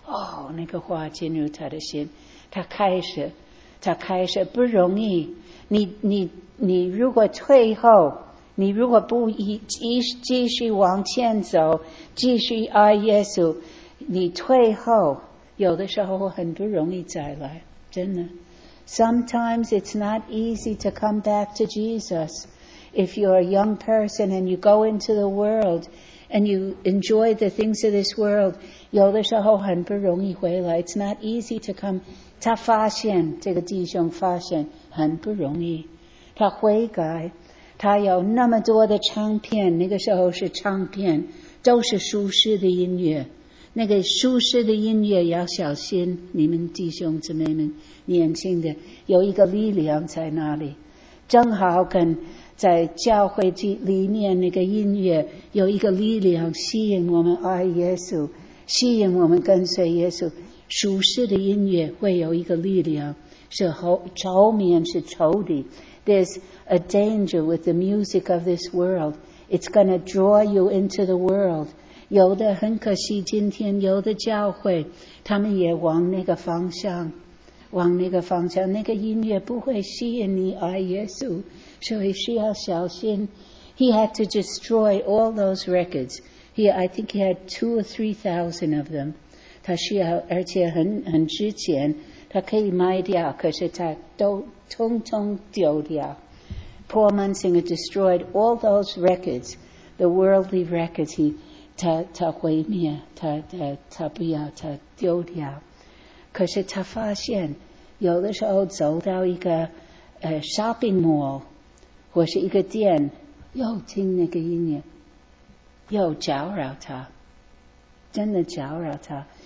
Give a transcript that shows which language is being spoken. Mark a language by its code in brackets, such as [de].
[zh] 哦，那个话进入他的心，他开始不容易。你如果退后，你如果不继续往前走，继续爱耶稣，你退后，有的时候很不容易再来，真的。 [en] Sometimes it's not easy to come back to Jesus. If you're a young person and you go into the world and you enjoy the things of this world, [zh] 有的时候很不容易回来。 [en] It's not easy to come. [zh] 他发现，这个弟兄发现很不容易。他悔改，他有那么多的唱片，那个时候是唱片，都是舒适的音乐。那个舒适的音乐要小心，你们弟兄姊妹们年轻的有一个力量在那里，正好跟在教会里面那个音乐有一个力量吸引我们爱耶稣，吸引我们跟随耶稣。舒适的音乐会有一个力量，是仇面是仇敌。 [en] There's a danger with the music of this world. It's going to draw you into the world. [zh] 有的很可惜，今天有的教会他们也往那个方向，往那个方向，那个音乐不会吸引你爱耶稣，所以需要小心。 [en] He had to destroy all those records. I think he had 2,000 or 3,000 of them. [zh] 他需要，而且很值钱，他可以卖掉，可是他都通通丢掉。 [en] Paul Munsinger destroyed all those records, the worldly records. [zh] He 毁灭，他不要，他丢掉。可是他发现，有的时候走到一个shopping mall 或是一个店，又听那个音乐，又搅扰他，真的搅扰他。